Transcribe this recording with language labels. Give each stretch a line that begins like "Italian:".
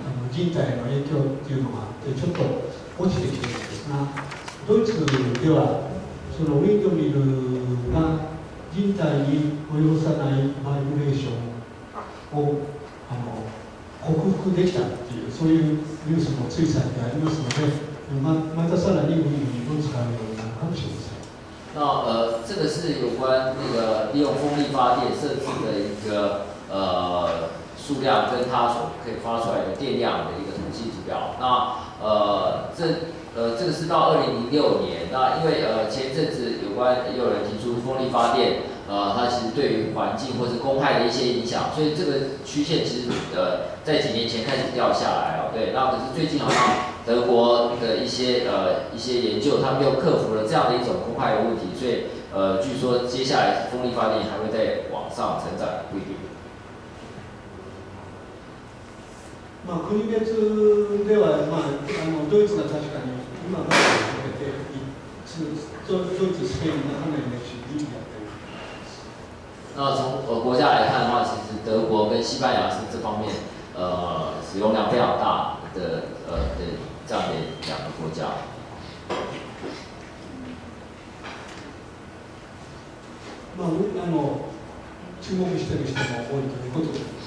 Japanese: 人体の影響というのがあってちょっと落ちてきているんですが、ドイツではそのウィンドミルが人体に及ぼさないバイブレーションを克服できたというそういうニュースもついさにありますので、またさらにウィンドミルを使うようになるかもしれません。
Chinese: 那这个是有关那个利用风力发电设置的一个数量跟它所可以发出来的电量的一个统计指标。那这个是到2006年，那因为前阵子有人提出风力发电它其实对于环境或是公害的一些影响，所以这个曲线其实在几年前开始掉下来了。对，那可是最近好像德国的一些研究，他们又克服了这样的一种公害的问题，所以据说接下来风力发电还会再往上成长，不一定。
Japanese: まあ、国別では、ドイツが確かに今まで続けて、ドイツ、スペインが長い歴史にやっています。
Chinese: 那从国家来看的话，其实德国跟西班牙是这方面使用量非常大的的这样的两个国家。
Japanese: まあ、注目してる人も多いということです。